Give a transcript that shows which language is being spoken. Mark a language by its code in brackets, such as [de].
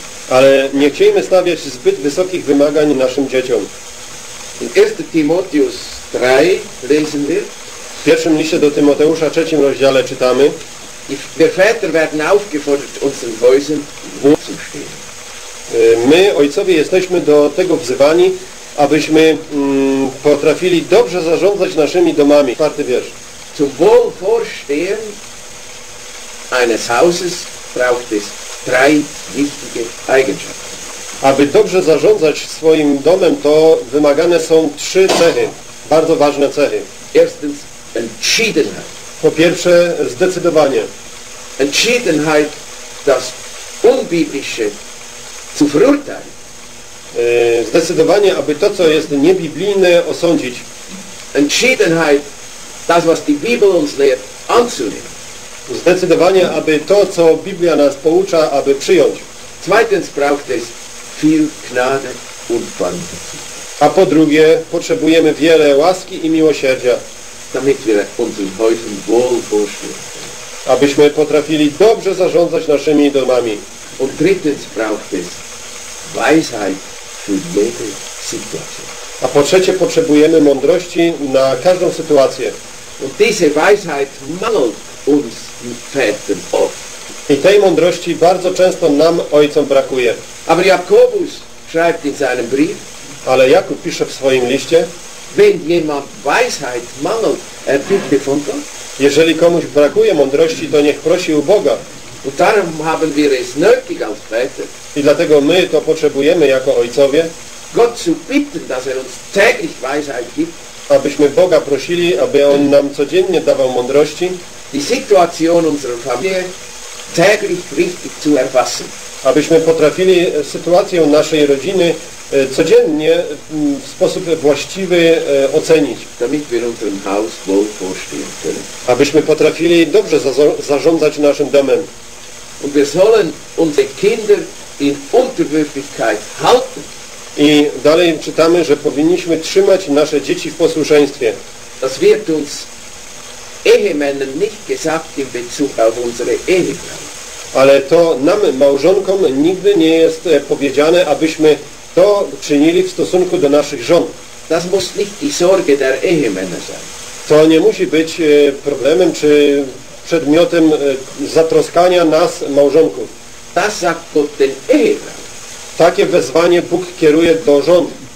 [pl] Ale nie chcielibyśmy stawiać zbyt wysokich wymagań naszym dzieciom. [de] In 1. Timotheus 3 lesen wir. [pl] W pierwszym liście do Tymoteusza, trzecim rozdziale czytamy. [de] Wir Väter werden aufgefordert, unseren Häusern wohl zu stehen. [pl] My, ojcowie, jesteśmy do tego wzywani, abyśmy potrafili dobrze zarządzać naszymi domami. Czwarty wiersz. [de] Zum Wohlvorstehen eines Hauses braucht es drei wichtige Eigenschaften. [pl] Aby dobrze zarządzać swoim domem, to wymagane są trzy cechy, bardzo ważne cechy. [de] Erstens, entschiedenheit. [pl] Po pierwsze, zdecydowanie. [de] Entschiedenheit, das Unbiblische zu verurteilen. [pl] zdecydowanie, aby to, co jest niebiblijne, osądzić. [de] Entschiedenheit, das was die Bibel uns lehrt, anzunehmen. [pl] Zdecydowanie, aby to, co Biblia nas poucza, aby przyjąć. [de] Zweitens braucht es viel Gnade und Barmherzigkeit. [pl] A po drugie, potrzebujemy wiele łaski i miłosierdzia. [de] Damit wir unseren Häusern wohl vorstellen. [pl] Abyśmy potrafili dobrze zarządzać naszymi domami. [de] Und drittens braucht es Weisheit für jede Situation. [pl] A po trzecie, potrzebujemy mądrości na każdą sytuację. [de] Und diese Weisheit mangelt uns die Väter oft. [pl] I tej mądrości bardzo często nam, ojcom, brakuje. [de] Aber Jakobus schreibt in seinem Brief. [pl] Ale Jakub pisze w swoim liście. [de] Wenn jemand Weisheit mangelt, er bitte von Gott. [pl] Jeżeli komuś brakuje mądrości, to niech prosi u Boga. [de] Und darum haben wir es nötig als Väter. [pl] I dlatego my to potrzebujemy jako ojcowie. [de] Gott zu bitten, dass er uns täglich Weisheit gibt. [pl] Abyśmy Boga prosili, aby on nam codziennie dawał mądrości. [de] Die Situation unserer Familie täglich richtig zu erfassen. [pl] Abyśmy potrafili sytuację naszej rodziny codziennie w sposób właściwy ocenić. [de] Damit wir unseren Haus wohl vorstehen können. [pl] Abyśmy potrafili dobrze zarządzać naszym domem. [de] Und wir sollen unsere Kinder in Unterwürfigkeit halten. [pl] I dalej czytamy, że powinniśmy trzymać nasze dzieci w posłuszeństwie. [de] Das wird uns Ehemännern nicht gesagt in Bezug auf unsere Ehefrau. [pl] Ale to nam, małżonkom, nigdy nie jest powiedziane, abyśmy to czynili w stosunku do naszych żon. [de] Das muss nicht die Sorge der Ehemänner sein. [pl] To nie musi być problemem czy przedmiotem zatroskania nas, małżonków. [de] Das sagt Gott den Ehefrau. [pl] Takie wezwanie Bóg kieruje do żon.